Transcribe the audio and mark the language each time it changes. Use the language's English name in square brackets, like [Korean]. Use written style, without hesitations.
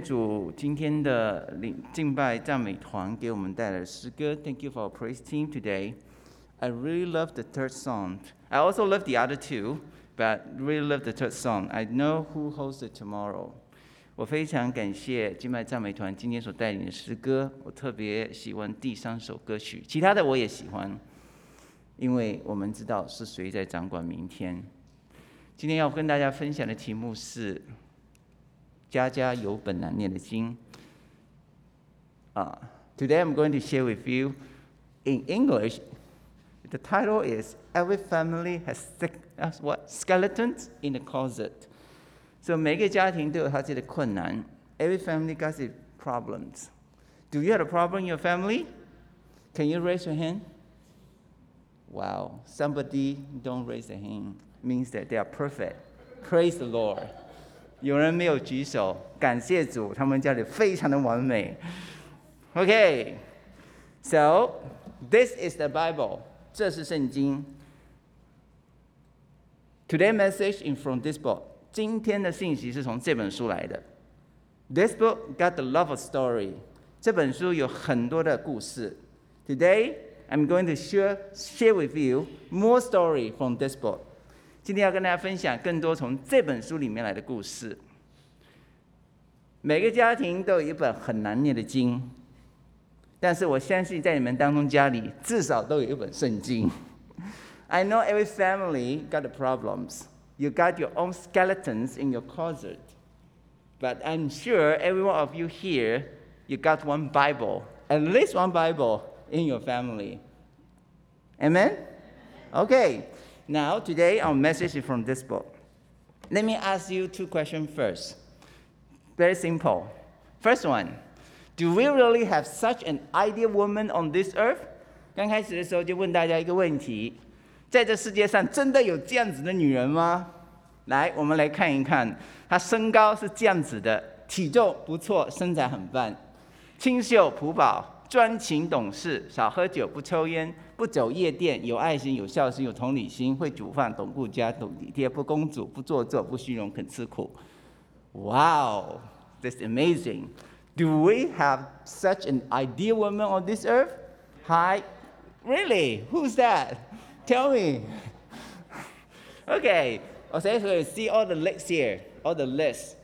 [Chinese] 主今天的敬拜赞美团给我们带来的诗歌。 [English] Thank you for our praise team today. I really love the third song. I also love the other two, but really love the third song. I know who holds it tomorrow. [Chinese] 我非常感谢敬拜赞美团今天所带领的诗歌。我特别喜欢第三首歌曲，其他的我也喜欢，因为我们知道是谁在掌管明天。今天要跟大家分享的题目是家家有本难念的经。 [English] Today I'm going to share with you in English. The title is Every Family Has Skeletons in the Closet. [Chinese] So 每个家庭都有他自己的困难。 [English] Every family got its problems. Do you have a problem in your family? Can you raise your hand? Wow, somebody don't raise their hand means that they are perfect. Praise the Lord. [Chinese] 有人没有举手，感谢主，他们家里非常的完美。 [English] Okay, so this is the Bible. [Chinese] 这是圣经。 [English] Today's message is from this book. [Chinese] 今天的信息是从这本书来的。 [English] This book got a lot of story. [Chinese] 这本书有很多的故事。 [English] Today, I'm going to share with you more story from this book. [Chinese] 今天要跟大家分享更多从这本书里面来的故事。每个家庭都有一本很难念的经，但是我相信在你们当中家里至少都有一本圣经。 [English] I know every family got the problems. You got your own skeletons in your closet. But I'm sure every one of you here, you got one Bible, at least one Bible in your family. Amen? Okay. Now, today, our message is from this book. Let me ask you two questions first. Very simple. First one, do we really have such an ideal woman on this earth? [Chinese] 刚开始的时候就问大家一个问题，在这世界上真的有这样子的女人吗？来，我们来看一看，她身高是这样子的，体重不错，身材很棒，清秀朴宝，专情懂事，少喝酒，不抽烟，不走夜店，有爱心，有孝心，有同理心，会煮饭，懂顾家，懂体贴，不公主，不做作，不虚荣，肯吃苦。 [English] Wow, that's amazing. Do we have such an ideal woman on this earth? Hi, really? Who's that? Tell me. Okay, okay. So you see all the lists here, all the lists.